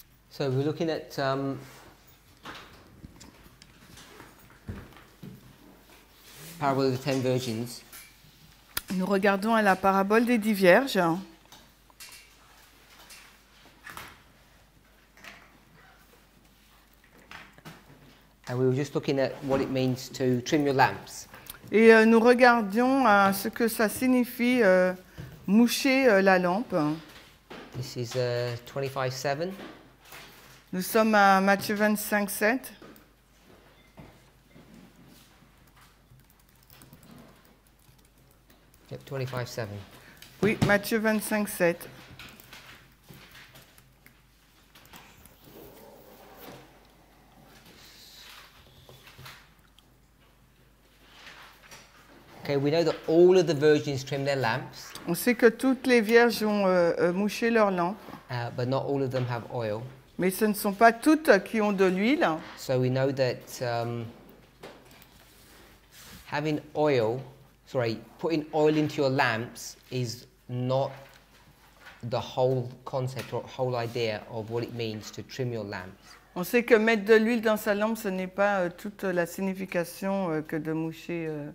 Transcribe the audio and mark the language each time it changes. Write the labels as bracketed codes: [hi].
[en] So we're looking at parable of the ten virgins. [fr] Nous regardons à la parabole des 10 vierges. [en] And we were just looking at what it means to trim your lamps. [fr] Et nous regardions à ce que ça signifie moucher la lampe. [en] This is 25:7. [fr] Nous sommes à Matthieu 25:7. [en] Yep, 25:7. [fr] Oui, Matthieu 25:7. [en] Okay, we know that all of the virgins trim their lamps. [fr] On sait que toutes les vierges ont mouché leurs lampes. [en] But not all of them have oil. [fr] Mais ce ne sont pas toutes qui ont de l'huile. [en] So we know that having oil, sorry, putting oil into your lamps is not the whole concept or whole idea of what it means to trim your lamps. [fr] On sait que mettre de l'huile dans sa lampe, ce n'est pas toute la signification que de moucher.